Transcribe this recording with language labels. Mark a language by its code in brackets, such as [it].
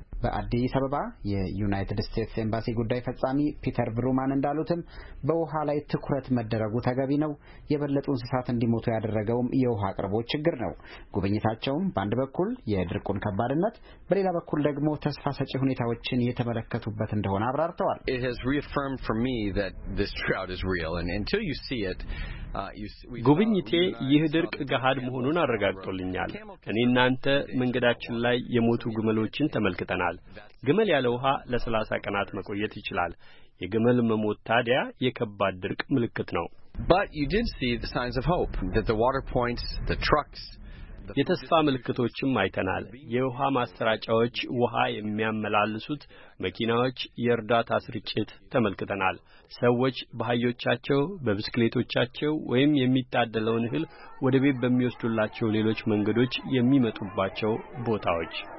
[am] በአዲስ አበባ የዩናይትድ ስቴትስ ኤምባሲ ጉዳይ ፈጻሚ ፒተር ብሩማን እንዳሉትም በውሃ ላይ ትኩረት መደረጉ ተገቢ ነው የበለጡ እንስሳት እንዲሞቱ ያደረገውም የውሃ አቅርቦት ችግር ነው ጉብኝታቸውም በአንድ በኩል የድርቁን ከባድነት በሌላ በኩል ደግሞ ተስፋ ሰጪ ሁኔታዎችን የተመለከቱበት እንደሆነ አብራርተዋል [en] It has reaffirmed for me that this drought is real and until you see it [am] ጉብኝቴ ይህ ድርቅ ገሃድ መሆኑን አረጋግጦልኛል እኔ እናንተ መንገዳችን ላይ የሞቱ ግመሎችን ተመልክተናል ግመል ያለ ውሃ ለ30 ቀናት መቆየት ይችላል የግመል መሞት ታዲያ የከባድ ድርቅ ምልክት ነው [en] But you did see the signs of hope that the water points the trucks [am] የተስፋ ምልክቶችም አይተናል የውሃ ማስተራጫዎች ውሃ የሚያመላልሱት መኪናዎች የርዳታ ስርጭት ተመልክተናል ሰዎች በሃዮቻቸው በብስክሌቶቻቸው ወይም የሚታደለውን ህል ወደ ቤት በሚወስዱላቸው ሌሎች መንገዶች የሚመጡባቸው ቦታዎች